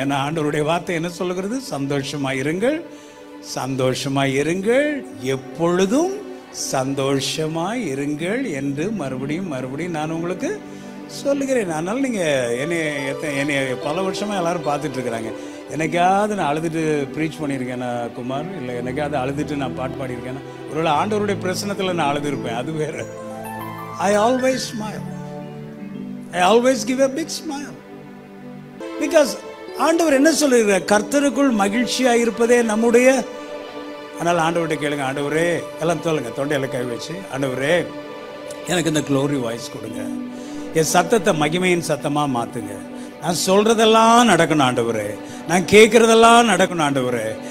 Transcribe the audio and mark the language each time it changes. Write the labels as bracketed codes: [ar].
[ta] ஏன்னா ஆண்டவருடைய வார்த்தை என்ன சொல்லுகிறது? சந்தோஷமா இருங்கள், சந்தோஷமா இருங்கள், எப்பொழுதும் சந்தோஷமா இருங்கள் என்று மறுபடியும் மறுபடியும் நான் உங்களுக்கு சொல்லுகிறேன். அதனால நீங்க என்னை பல வருஷமா எல்லாரும் பார்த்துட்டு இருக்கிறாங்க. எனக்காவது நான் அழுதுட்டு ப்ரீச் பண்ணியிருக்கேன் குமார், இல்லை எனக்காவது அழுதுட்டு நான் பாட்டு பாடியிருக்கேன். ஒருவேளை ஆண்டவருடைய பிரசன்னத்தில் நான் அழுதிருப்பேன், அது வேற. [en] I always smile, I always give a big smile. [ta] Because ஆண்டவர் என்ன சொல்லுகிற? கர்த்தருக்குள் மகிழ்ச்சியா இருப்பதே நம்முடைய. ஆனால் ஆண்டவர்கிட்ட கேளுங்க, ஆண்டவரே எல்லாம் சொல்லுங்க, தொண்டையில கை வச்சு, ஆண்டவரே எனக்கு இந்த க்ளோரி வாய்ஸ் கொடுங்க, என் சத்தத்தை மகிமையின் சத்தமா மாத்துங்க. நான் சொல்றதெல்லாம் நடக்கணும் ஆண்டவரே, நான் கேட்கறதெல்லாம் நடக்கணும் ஆண்டவரே.